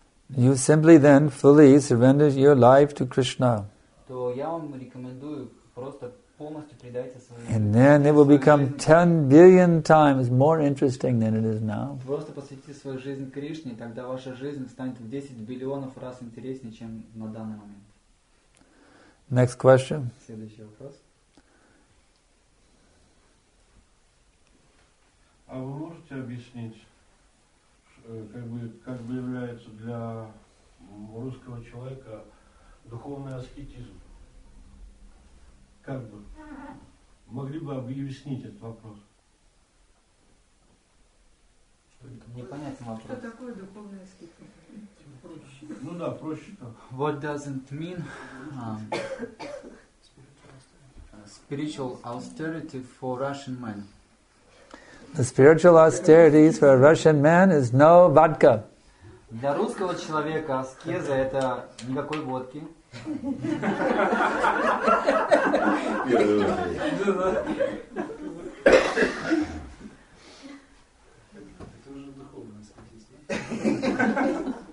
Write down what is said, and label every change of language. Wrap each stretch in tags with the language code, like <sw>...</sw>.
<en>you simply then fully surrender your life to Krishna.</en> <ru>То я вам рекомендую просто</ru> <en>and then it will become 10 billion times more interesting than it is now.</en> <ru>Просто посвяти свою жизнь Кришне, тогда ваша жизнь станет в 10 биллионов раз интереснее, чем на данный момент.</ru> <en>Next question.</en> <ru>Следующий вопрос. А вы можете объяснить, как бы является для русского человека духовный аскетизм? Могли бы объяснить этот вопрос? Непонятен вопрос. Что такое духовный аскетизм? Ну да, проще.</ru> <en>What doesn't mean spiritual austerity for Russian man? The spiritual austerity for a Russian man is no vodka.</en> <ru>Для русского человека аскеза это никакой водки. Это уже духовный аскетизм.</ru>